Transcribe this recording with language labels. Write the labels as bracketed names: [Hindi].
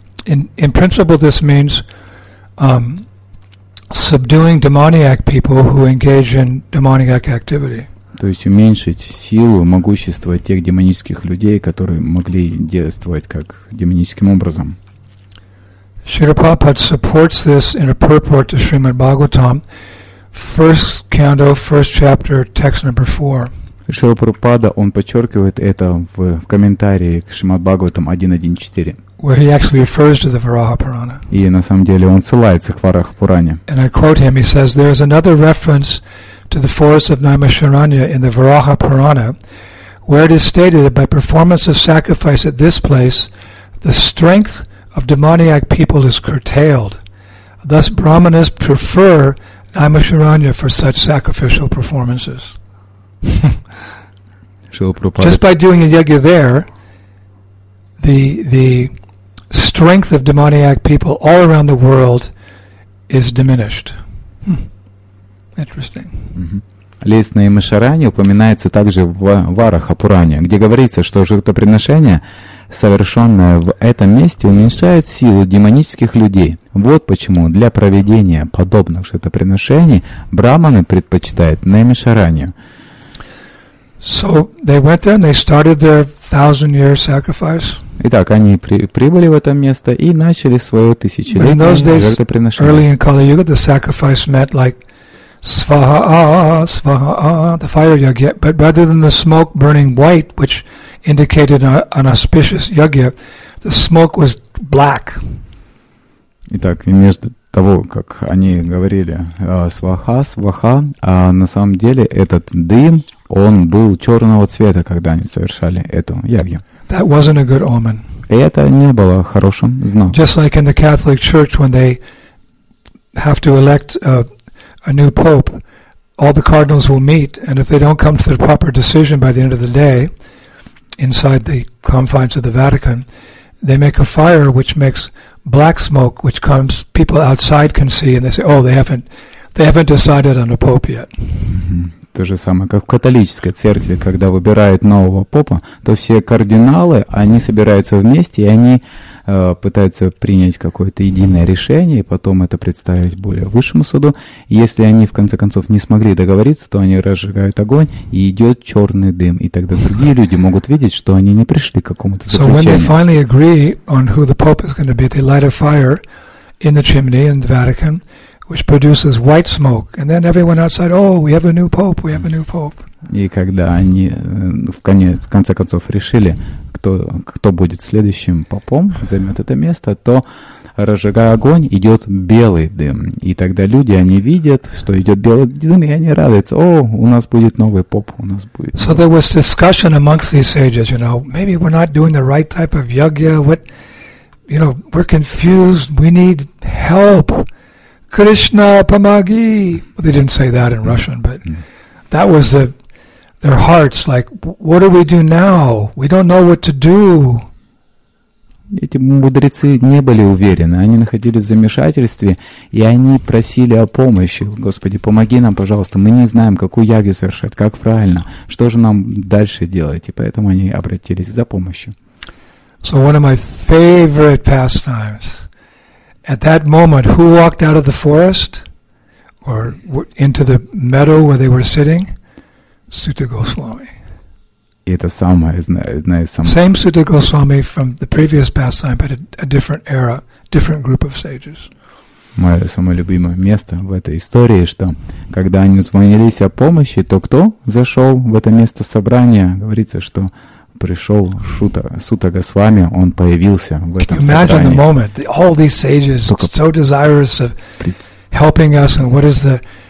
[English] In principle, this means subduing demoniac people who engage in demoniac activity. [Russian] То есть уменьшить силу, могущество тех демонических людей, которые могли действовать как демоническим образом. [English] Шрила Прабхупада supports this in a purport to Srimad Bhagavatam, first canto, first chapter, text number 4. [Russian] Шрила Прабхупада, он подчеркивает это в комментарии к Шримад Бхагаватам 1.1.4. [English] Where he actually refers to the Varaha Purana. [Russian] И на самом деле он ссылается к Вараха Пуране. [English] And I quote him, he says, there is another reference to the forest of Naimasharanya in the Varaha Purana, where it is stated that by performance of sacrifice at this place, the strength of demoniac people is curtailed. Thus, Brahmanas prefer Naimasharanya for such sacrificial performances. Just by doing a yagya there, the strength of demoniac people all around the world is diminished. Interesting. [Russian] Лес Наимашарани упоминается также в Вараха Пуране, где говорится, что жертвоприношение, совершенное в этом месте, уменьшает силу демонических людей. Вот почему для проведения подобных жертвоприношений брахманы предпочитают Наимашарани. [English] So they went there and they started their thousand-year sacrifice. [Russian] Итак, они прибыли в это место и начали свое тысячелетнее жертвоприношение. [English] Early in Kali Yuga, the sacrifice meant like Svaha, Svaha, the fire yagya. But rather than the smoke burning white, which indicated an auspicious yagya, the smoke was black. [Russian] Итак, и между того, как они говорили Сваха, Сваха, а на самом деле этот дым, он был черного цвета, когда они совершали эту ягью. [English] That wasn't a good omen. [Russian] И это не было хорошим знаком. [English] Just like in the Catholic Church, when they have to elect a new pope, all the cardinals will meet, and if they don't come to the proper decision by the end of the day, inside the confines of the Vatican, they make a fire which makes black smoke, which comes people outside can see, and they say, "Oh, they haven't decided on a pope yet." [Russian] То же самое, как в католической церкви, когда выбирают нового попа, то все кардиналы, они собираются вместе, и они пытаются принять какое-то единое решение, и потом это представить более высшему суду. И если они, в конце концов, не смогли договориться, то они разжигают огонь, и идет черный дым. И тогда другие люди могут видеть, что они не пришли к какому-то заключению. [English] Which produces white smoke, and then everyone outside, oh, we have a new pope, we have a new pope. [Russian] И когда они в конце концов решили, кто будет следующим попом, займет это место, то разжигая огонь, идет белый дым. И тогда люди они видят, что идет белый дым, и они радуются, о, у нас будет новый поп, у нас будет. [English] So there was discussion amongst these sages, you know, maybe we're not doing the right type of yagya. What, you know, we're confused. We need help. Krishna Pamagi. Well, they didn't say that in Russian, but that was their hearts. Like, what do we do now? We don't know what to do. [Russian] Эти мудрецы не были уверены. Они находились в замешательстве, и они просили о помощи. Господи, помоги нам, пожалуйста. Мы не знаем, какую ягью совершать, как правильно. Что же нам дальше делать? И поэтому они обратились за помощью. [English] So one of my favorite pastimes, at that moment, who walked out of the forest or into the meadow where they were sitting? Sutta Goswami. [Russian] Это самое, знаю, самое. [English] Same Sutta Goswami from the previous pastime, but a different era, different group of sages. [Russian] Мое самое любимое место в этой истории, что когда они звонились о помощи, то кто зашел в это место собрания? Говорится, что пришел Сутта Госвами, он появился в этом собрании. [English] Can you imagine the moment? All these sages so desirous of helping us, and what is the?